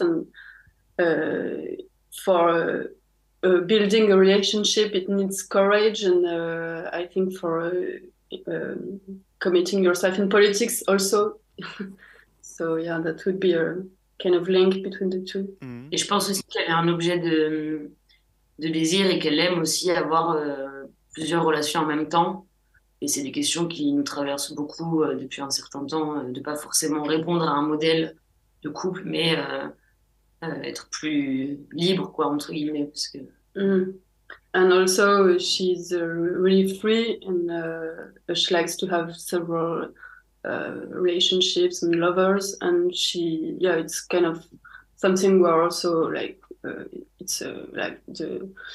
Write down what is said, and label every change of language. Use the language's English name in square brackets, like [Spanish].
[English] And for building a relationship, it needs courage. And I think for committing yourself in politics, also. So yeah, that would be a kind of link between the two. [French] Mm. Et je pense aussi qu'elle est un objet de désir et qu'elle aime aussi avoir. Plusieurs relations en même temps, et c'est des questions qui nous traversent beaucoup depuis un certain temps, de pas forcément répondre à un modèle de couple, mais être plus libre, quoi, entre guillemets, parce que. [English] And also, she's really free, and she likes to have several relationships and lovers, and she, yeah, it's kind of something where also like it's like the.